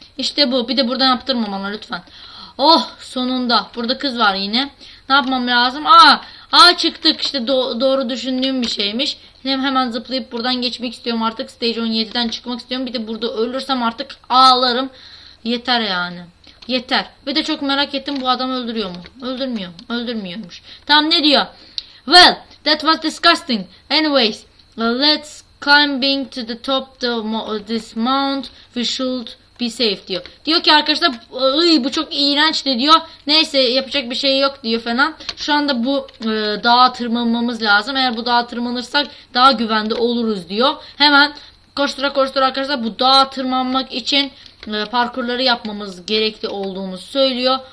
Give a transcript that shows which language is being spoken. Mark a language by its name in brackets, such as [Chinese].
[Turkish] İşte bu. Bir de buradan yaptırma bana lütfen. Oh sonunda. Burada kız var yine. Ne yapmam lazım? Aa çıktık işte doğru düşündüğüm bir şeymiş. Hemen zıplayıp buradan geçmek istiyorum artık. Stage 17'den çıkmak istiyorum. Bir de burada ölürsem artık ağlarım. Yeter yani. Yeter. Ve de çok merak ettim bu adam öldürüyor mu? Öldürmüyor. Öldürmüyormuş. Tamam ne diyor? [English] Well, that was disgusting. Anyways, let's climbing to the top of this mount. We should be safe [Turkish] diyor. Diyor ki arkadaşlar ıy, bu çok iğrenç de diyor. Neyse yapacak bir şey yok diyor falan. Şu anda bu dağa tırmanmamız lazım. Eğer bu dağa tırmanırsak daha güvende oluruz diyor. Hemen koştura koştura arkadaşlar bu dağa tırmanmak için parkurları yapmamız gerekli olduğunu söylüyor.